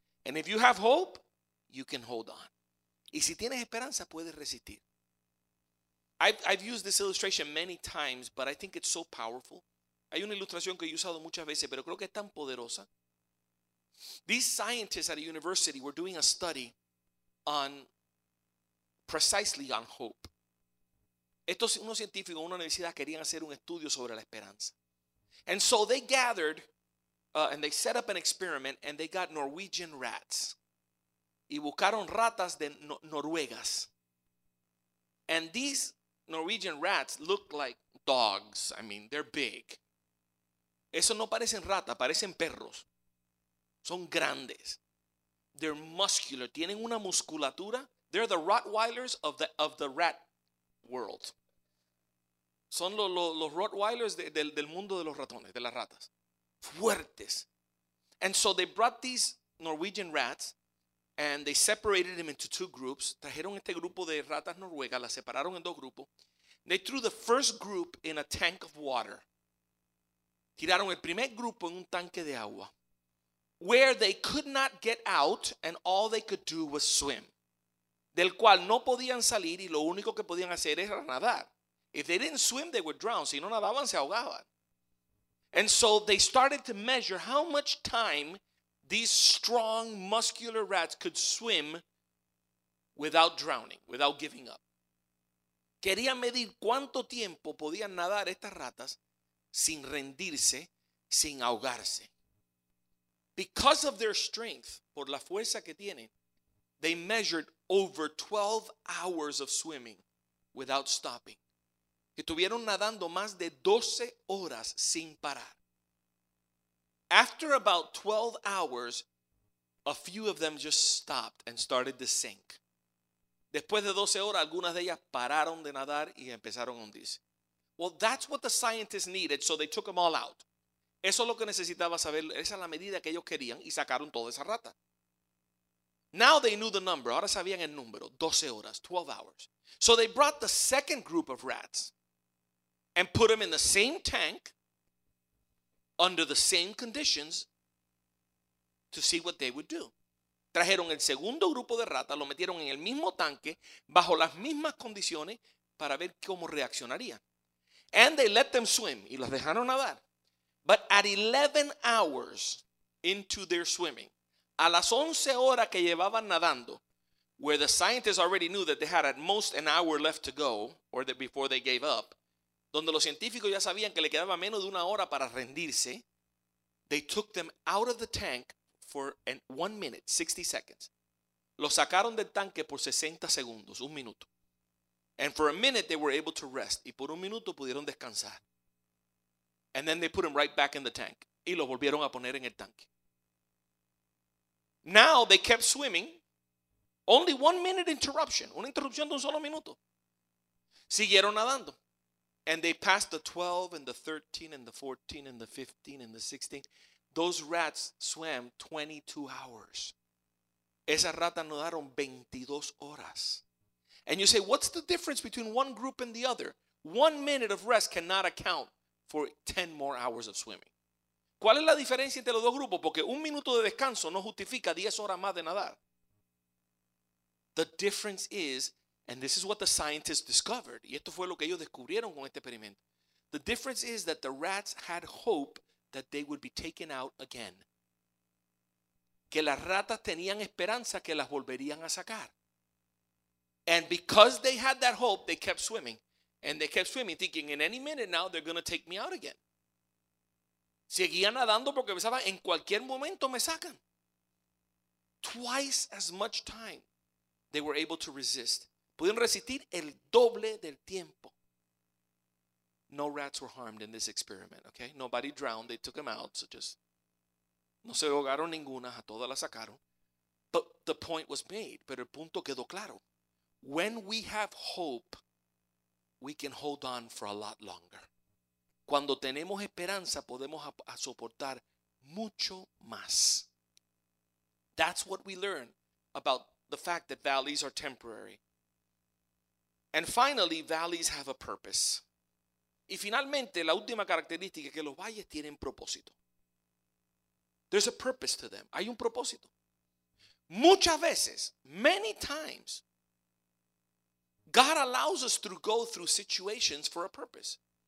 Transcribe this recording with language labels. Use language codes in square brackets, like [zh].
[en] And if you have hope, you can hold on. [es] Y si tienes esperanza, puedes resistir. [en] I've used this illustration many times, but I think it's so powerful. [es] Hay una ilustración que he usado muchas veces, pero creo que es tan poderosa. [en] These scientists at a university were doing a study on, precisely on hope. [es] Estos unos científicos en una universidad querían hacer un estudio sobre la esperanza. [en] And so they gathered, and they set up an experiment, and they got Norwegian rats. [es] Y buscaron ratas de Noruegas. [en] And these Norwegian rats look like dogs. I mean, they're big. [es] Eso no parecen ratas, parecen perros. Son grandes. [en] They're muscular. [es] Tienen una musculatura. [en] They're the Rottweilers of the rat world. [es] Son los Rottweilers del mundo de los ratones, de las ratas. Fuertes. [en] And so they brought these Norwegian rats and they separated them into two groups. [es] Trajeron este grupo de ratas noruegas, las separaron en dos grupos. [en] They threw the first group in a tank of water. [es] Tiraron el primer grupo en un tanque de agua. [en] Where they could not get out and all they could do was swim. [es] Del cual no podían salir y lo único que podían hacer era nadar. [en] If they didn't swim, they would drown. [es] Si no nadaban, se ahogaban. [en] And so they started to measure how much time these strong, muscular rats could swim without drowning, without giving up. [es] Quería medir cuánto tiempo podían nadar estas ratas sin rendirse, sin ahogarse. [en] Because of their strength, [es] por la fuerza que tienen, [en] they measured over 12 hours of swimming without stopping. [es] Estuvieron nadando más de 12 horas sin parar. [en] After about 12 hours, a few of them just stopped and started to sink. [es] Después de 12 horas, algunas de ellas pararon de nadar y empezaron a hundirse. [en] Well, that's what the scientists needed, so they took them all out. [es] Eso es lo que necesitaba saber, esa es la medida que ellos querían y sacaron toda esa rata. [en] Now they knew the number, [es] ahora sabían el número, 12 horas, [en] 12 hours. So they brought the second group of rats and put them in the same tank under the same conditions to see what they would do. [es] Trajeron el segundo grupo de ratas, lo metieron en el mismo tanque bajo las mismas condiciones para ver cómo reaccionarían. [en] And they let them swim, [es] y los dejaron nadar. [en] But at 11 hours into their swimming, [es] a las 11 horas que llevaban nadando, [en] where the scientists already knew that they had at most an hour left to go, or that before they gave up, [es] donde los científicos ya sabían que le quedaba menos de una hora para rendirse, [en] they took them out of the tank for an 1 minute, 60 seconds. [es] Los sacaron del tanque por 60 segundos, un minuto. [en] And for a minute they were able to rest, [es] y por un minuto pudieron descansar. [en] And then they put him right back in the tank. [es] Y lo volvieron a poner en el tanque. [en] Now they kept swimming. Only 1 minute interruption. [es] Una interrupción de un solo minuto. Siguieron nadando. [en] And they passed the 12 and the 13 and the 14 and the 15 and the 16. Those rats swam 22 hours. [es] Esas ratas nadaron 22 horas. [en] And you say, what's the difference between one group and the other? 1 minute of rest cannot account for 10 more hours of swimming. [es] ¿Cuál es la diferencia entre los dos grupos? Porque un minuto de descanso no justifica 10 horas más de nadar. [en] The difference is, and this is what the scientists discovered, [es] y esto fue lo que ellos descubrieron con este experimento. [en] The difference is that the rats had hope that they would be taken out again. [es] Que las ratas tenían esperanza que las volverían a sacar. [en] And because they had that hope, they kept swimming. And they kept swimming, thinking, in any minute now, they're going to take me out again. [es] Seguían nadando porque pensaban, en cualquier momento me sacan. [en] Twice as much time they were able to resist. [es] Pudieron resistir el doble del tiempo. [en] No rats were harmed in this experiment, okay? Nobody drowned. They took them out. So just, [es] no se ahogaron ninguna. A todas las sacaron. [en] But the point was made. [es] Pero el punto quedó claro. [en] When we have hope, we can hold on for a lot longer. [es] Cuando tenemos esperanza, podemos a soportar mucho más. [en] That's what we learn about the fact that valleys are temporary. And finally, valleys have a purpose. [es] Y finalmente, la última característica es que los valles tienen propósito. [en] There's a purpose to them. [es] Hay un propósito. Muchas veces, [en] many times, God allows us to go through situations for a purpose.